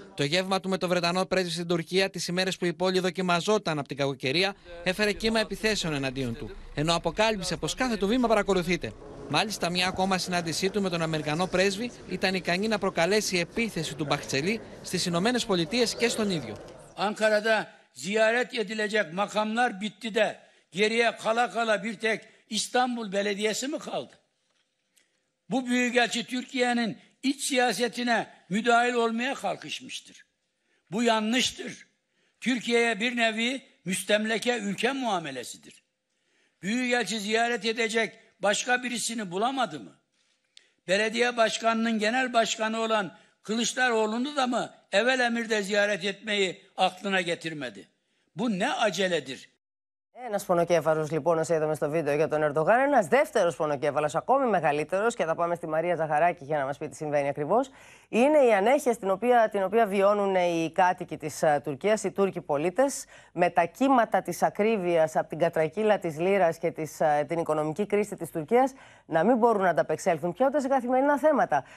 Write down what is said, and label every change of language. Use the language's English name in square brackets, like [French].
[Greek] Το γεύμα του με τον Βρετανό πρέσβη στην Τουρκία, τις ημέρες που η πόλη δοκιμαζόταν από την κακοκαιρία, έφερε κύμα επιθέσεων εναντίον του. Ενώ αποκάλυψε πως κάθε του βήμα παρακολουθείται. Μάλιστα, μια ακόμα συνάντησή του με τον Αμερικανό πρέσβη ήταν ικανή να προκαλέσει επίθεση του Μπαχτσελή στις Ηνωμένες Πολιτείες και στον ίδιο. [Turkish] Ankara'da ziyaret edilecek makamlar bitti de geriye kala kala bir tek İstanbul Belediyesi mi kaldı? Bu büyükelçi Türkiye'nin iç siyasetine müdahil olmaya kalkışmıştır. Bu yanlıştır. Türkiye'ye bir nevi müstemleke ülke muamelesidir. Büyükelçi ziyaret edecek başka birisini bulamadı mı? Belediye başkanının genel başkanı olan Kılıçdaroğlu'nu da mı evvel emirde ziyaret etmeyi aklına getirmedi? Bu ne aceledir? [Greek] Ένας πονοκέφαλος λοιπόν, όσο είδαμε στο βίντεο για τον Ερντογάν. Ένας δεύτερος πονοκέφαλος, ακόμη μεγαλύτερος, και θα πάμε στη Μαρία Ζαχαράκη για να μας πει τι συμβαίνει ακριβώς. Είναι η ανέχεια την οποία βιώνουν οι κάτοικοι της Τουρκίας, οι Τούρκοι πολίτες, με τα κύματα της ακρίβειας από την κατρακύλα της λίρας και την οικονομική κρίση της Τουρκίας, να μην μπορούν να ανταπεξέλθουν πια ούτε σε καθημερινά θέματα.